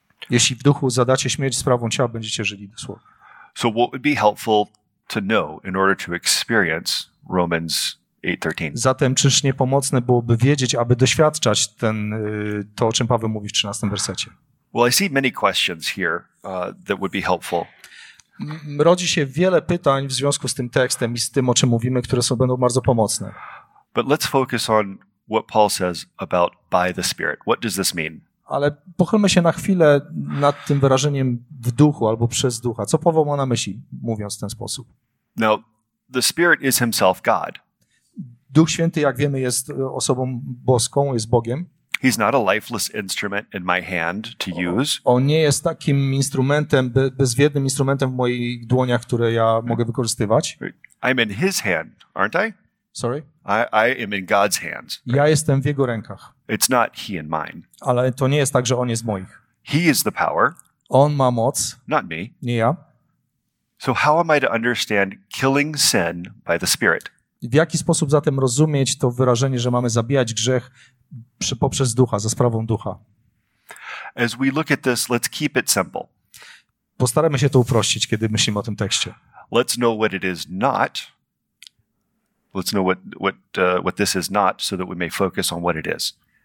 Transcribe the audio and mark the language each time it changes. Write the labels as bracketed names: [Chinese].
[Polish] Jeśli w duchu zadacie śmierć sprawą ciała, będziecie żyli dosłownie. [English] So what would be helpful to know in order to experience Romans 8:13? [Polish] Zatem czyż nie pomocne byłoby wiedzieć, aby doświadczać ten, to, o czym Paweł mówi w 13 wersecie? [English] Well, I see many questions here that would be helpful. [Polish] Rodzi się wiele pytań w związku z tym tekstem i z tym, o czym mówimy, które są będą bardzo pomocne. [English] But let's focus on what Paul says about by the Spirit. What does this mean? [Polish] Ale pochylmy się na chwilę nad tym wyrażeniem w duchu albo przez ducha. Co Paweł ma na myśli, mówiąc w ten sposób? [English] Now, the Spirit is himself God. [Polish] Duch Święty, jak wiemy, jest osobą boską, jest Bogiem. [English] He's not a lifeless instrument in my hand to use. [Polish] On nie jest takim instrumentem, bezwiednym instrumentem w moich dłoniach, które ja mogę wykorzystywać. [English] I'm in his hand, aren't I? Sorry? I am in God's hands. [Polish] Ja jestem w jego rękach. [English] It's not he and mine. [Polish] Ale to nie jest tak, że on jest moich. [English] He is the power. [Polish] On ma moc. [English] Not me. [Polish] Nie ja. [English] So how am I to understand killing sin by the Spirit? [Polish] W jaki sposób zatem rozumieć to wyrażenie, że mamy zabijać grzech poprzez ducha, za sprawą ducha? [English] As we look at this, let's keep it simple. [Polish] Postaramy się to uprościć, kiedy myślimy o tym tekście. [English] Let's know what it is not. Let's know what this is not, so that we may focus on what it is.